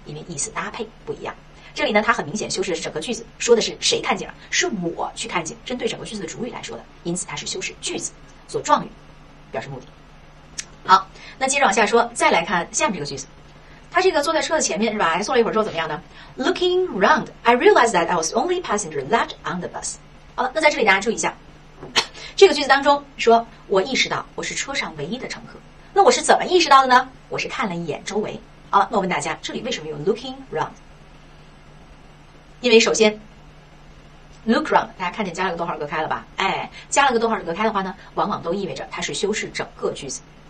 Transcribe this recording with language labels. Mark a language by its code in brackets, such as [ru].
[zh] 因为意思搭配不一样。这里呢它很明显修饰的是整个句子，说的是谁看景了，是我去看景，针对整个句子的主语来说的，因此它是修饰句子做状语表示目的。好，那接着往下说，再来看下面这个句子。他这个坐在车的前面是吧，还坐了一会儿之后怎么样呢？ [en] Looking round I realized that I was the only passenger left on the bus。 [zh] 好了，那在这里大家注意一下，这个句子当中说我意识到我是车上唯一的乘客，那我是怎么意识到的呢？我是看了一眼周围。好了，那我问大家，这里为什么用 [en] looking round？ [zh] 因为首先 [en] look round [zh] 大家看见加了个逗号隔开了吧，哎，加了个逗号隔开的话呢，往往都意味着它是修饰整个句子。